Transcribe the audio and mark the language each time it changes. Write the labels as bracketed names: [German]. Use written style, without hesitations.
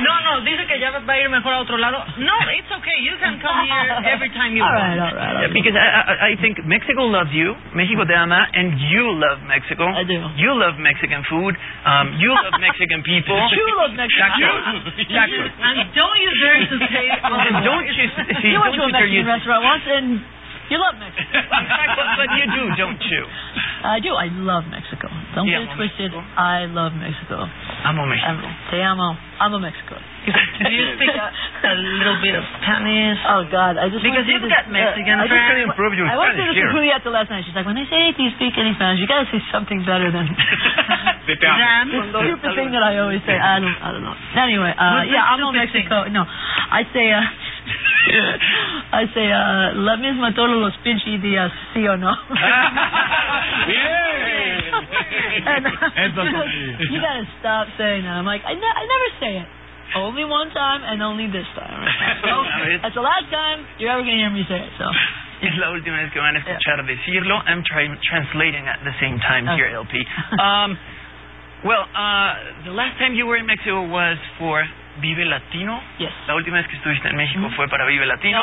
[Spanish] No, dice que ya va a ir mejor a otro lado. [English] No, it's okay. You can come here every time you want. All right. Because I think Mexico loves you. [Spanish] México te ama. [English] And you love Mexico. I do. You love Mexican food. You love Mexican people. You love Mexican food. And don't you dare to say... Well, don't you... See, you don't went to a Mexican restaurant once and... You love Mexico. But you do, don't you? I do. I love Mexico. Don't get it twisted. Mexico. I love Mexico. [Spanish] Amo Mexico. Te amo. Amo Mexico. [English] Do you speak a little bit of Spanish? Oh, God. I just because you've got Mexican friends. I just couldn't improve your Spanish here. I went to the Juliette last night. She's like, when they say, do you speak any Spanish? You got to say something better than... The stupid thing that I always say. I don't know. Anyway, [Spanish] amo Mexico. [English] No, I say... I say, [Spanish] la misma todos los pinches días, sí o no? [English] Yeah. you gotta stop saying that. I'm like, I never say it. Only one time and only this time. That's the last time you're ever gonna hear me say it. So. [Spanish] Es la última vez que van a escuchar decirlo. [English] I'm translating at the same time here, LP. The last time you were in Mexico was for. Vive Latino. Yes. [Spanish] La última vez que estuviste en México fue para Vive Latino.